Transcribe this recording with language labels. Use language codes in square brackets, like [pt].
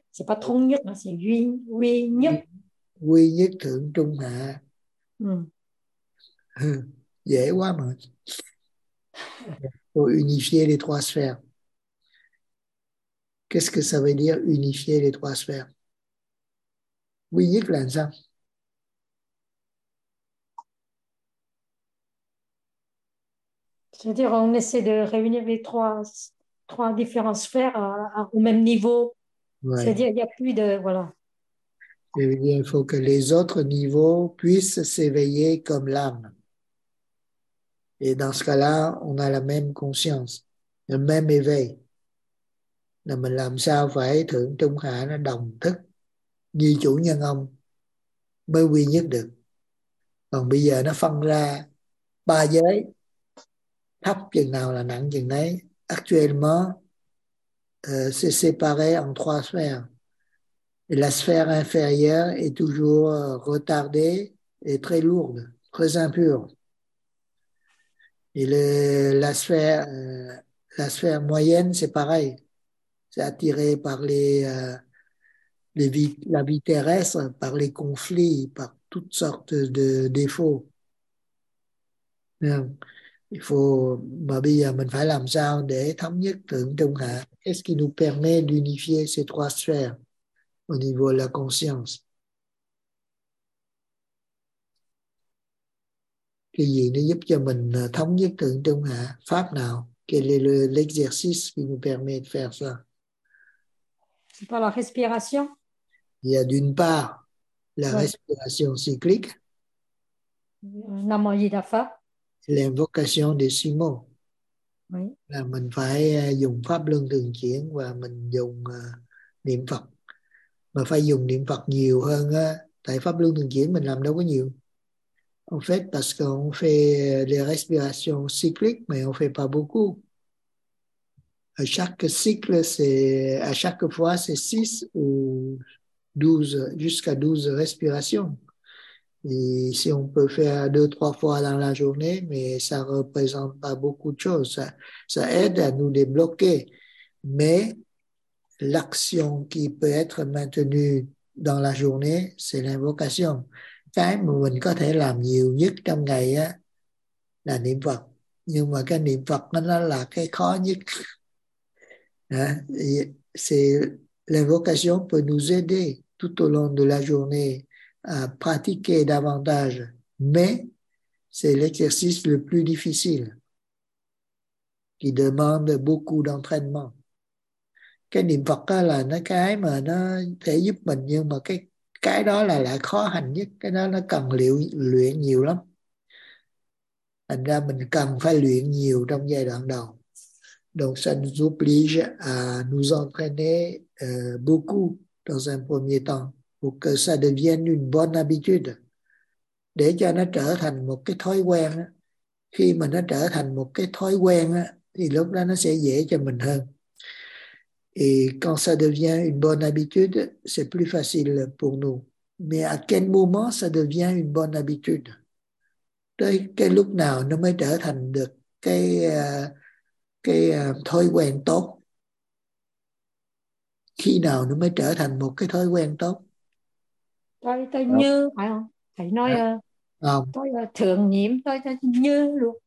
[vi] Chỉ có thông nhất là sẽ duy nhất. Quy nhất thượng trung hạ. Dễ quá mà. [fr] Pour unifier les trois sphères. Qu'est-ce que ça veut dire unifier les trois sphères? [vi] Quy nhất là sao? [fr] Je veux dire, on essaie de réunir les trois différentes sphères au même niveau. Ouais. C'est-à-dire, il n'y a plus de... Voilà. Il faut que les autres niveaux puissent s'éveiller comme l'âme. Et dans ce cas-là, on a la même conscience, le même éveil. [vi] Là mình làm sao phải thượng trung hạ nó đồng thức như chủ nhân ông mới quy nhất được. Còn bây giờ nó phân ra ba giới, thấp chừng nào là nặng chừng đấy. [fr] Actuellement, c'est séparé en trois sphères. Et la sphère inférieure est toujours retardée et très lourde, très impure. Et la sphère moyenne, c'est pareil. C'est attiré par la vie terrestre, par les conflits, par toutes sortes de défauts. Il faut, [vi] mình phải làm sao để thống nhất thượng trung hạ. [fr] Qu'est-ce qui nous permet d'unifier ces trois sphères? Au niveau de la conscience. [vi] cái gì nó giúp cho mình thống nhất thượng trung hạ, pháp nào, [fr] quel est l'exercice qui nous permet de faire ça? C'est pas la respiration. Il y a d'une part la ouais. respiration cyclique, Namayidafa. L'invocation des six mots. Oui. [vi] Là mình phải dùng pháp luân thường chuyển và mình dùng niệm Phật. Mà phải dùng niệm Phật nhiều hơn tại pháp luân thường chuyển mình làm đâu có nhiều. [fr] En fait, parce qu'on fait des respirations cycliques, mais on ne fait pas beaucoup. À chaque cycle, c'est, à chaque fois, c'est 6 ou 12, jusqu'à 12 respirations. Et si on peut faire 2-3 fois dans la journée, mais ça ne représente pas beaucoup de choses. Ça aide à nous débloquer. Mais l'action qui peut être maintenue dans la journée, c'est l'invocation. [vi] Cái mà mình có thể làm nhiều nhất trong ngày á là niệm Phật, nhưng mà cái niệm Phật nó là cái khó nhất. [fr] C'est l'invocation peut nous aider tout au long de la journée à pratiquer davantage, mais c'est l'exercice le plus difficile qui demande beaucoup d'entraînement. [vi] Cái niệm Phật á là nó cái mà nó thể giúp mình, nhưng mà cái đó là lại khó hành nhất, cái đó nó cần luyện nhiều lắm. Thành ra mình cần phải luyện nhiều trong giai đoạn đầu. [fr] Donc ça nous oblige à nous entraîner beaucoup dans un premier temps pour que ça devienne une bonne habitude. [vi] Để cho nó trở thành một cái thói quen. Khi mà nó trở thành một cái thói quen thì lúc đó nó sẽ dễ cho mình hơn. [fr] Et quand ça devient une bonne habitude, c'est plus facile pour nous. Mais à quel moment ça devient une bonne habitude? [vi] Tới cái lúc nào nó mới trở thành được cái thói quen tốt? Khi nào nó mới trở thành một cái thói quen tốt? Tôi như, phải không? Thầy nói không. Tôi là thường nhiễm, tôi như luôn.